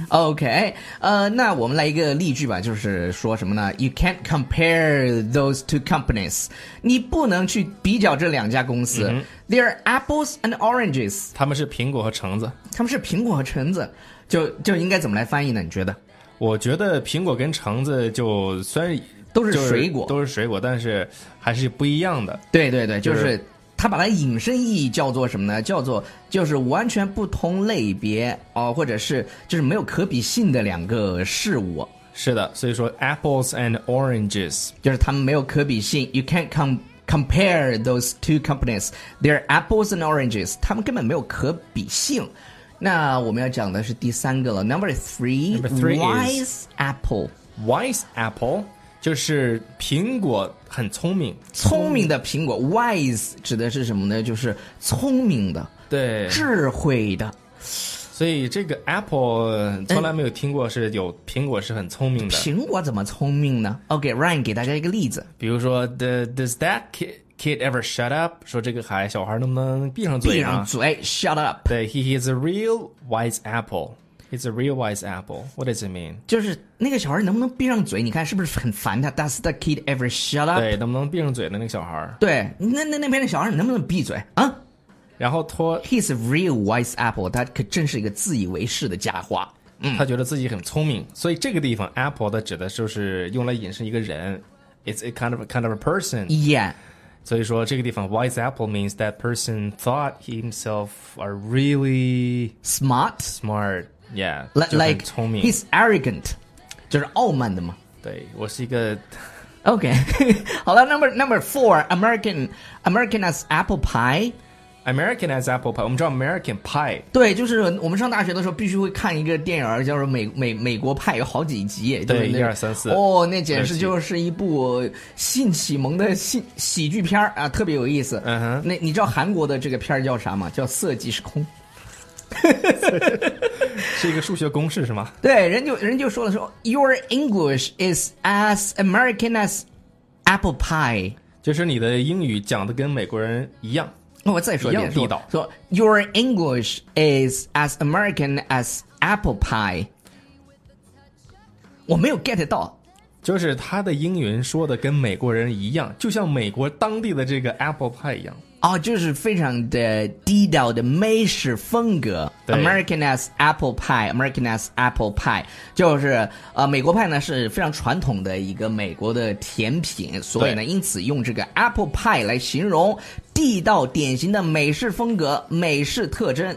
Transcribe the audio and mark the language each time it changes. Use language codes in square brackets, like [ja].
[zh] OK， 那我们来一个例句吧，就是说什么呢？ [en] You can't compare those two companies。 [zh] 你不能去比较这两家公司。嗯， [en] They are apples and oranges。 [zh] 他们是苹果和橙子。他们是苹果和橙子，就应该怎么来翻译呢？你觉得？我觉得苹果跟橙子就虽然都是水果，都是水果，但是还是不一样的。对对对，就是他把它引申意义叫做什么呢？叫做就是完全不同类别哦，或者是就是没有可比性的两个事物。是的，所以说 [en] apples and oranges [zh] 就是他们没有可比性。 [en] You can't compare those two companies, they're apples and oranges. [zh] 他们根本没有可比性。那我们要讲的是第三个了， [en] number three, wise apple. [zh] Wise apple 就是苹果很聪明，聪明的苹果。 wise 指的是什么呢？就是聪明的，对，智慧的。所以这个 apple 从来没有听过是有苹果是很聪明的。苹果怎么聪明呢？ OK， Ryan 给大家一个例子，比如说 [en] Does that kid ever shut up？ [zh] 说这个孩小孩能不能闭上嘴、啊、闭上嘴 [en] shut up。 [zh] 对， [en] he is a real wise apple。He's a real wise apple。 What does it mean？ [zh] 就是那个小孩能不能闭上嘴，你看是不是很烦他？ [en] Does that kid ever shut up？ [zh] 对，能不能闭上嘴的那个小孩。对，那边的小孩能不能闭嘴啊？然后托 [en] He's a real wise apple， [zh] 他可真是一个自以为是的家伙。他觉得自己很聪明，所以这个地方 apple 的指的就是用来引申一个人。 [en] It's a kind of a person。 Yeah， [zh] 所以说这个地方 [en] wise apple means that person thought himself are really smart。 Yeah， like [zh] 聪明。 [en] He's arrogant， [zh] 就是傲慢的嘛。对，我是一个。 [en] OK， [zh] 好了， [en] number four， American as apple pie American as apple pie， [zh] 我们知道 [en] American pie。 [zh] 对，就是我们上大学的时候必须会看一个电影叫做美国派，有好几集。对，一二三四。哦，那简直就是一部性启蒙的喜剧片啊，特别有意思。嗯哼，那你知道韩国的这个片叫啥吗？叫色即是空。是一个数学公式是吗？对，人就说了，说 [en] Your English is as American as apple pie， [zh] 就是你的英语讲的跟美国人一样。我再说一遍，说 [en] Your English is as American as apple pie。 [zh] 我没有 get 到，就是他的英语说的跟美国人一样，就像美国当地的这个 apple pie 一样。哦，就是非常的地道的美式风格。 [en] American as apple pie， [zh] American as apple pie 就是美国派呢是非常传统的一个美国的甜品，所以呢因此用这个 apple pie 来形容地道典型的美式风格，美式特征。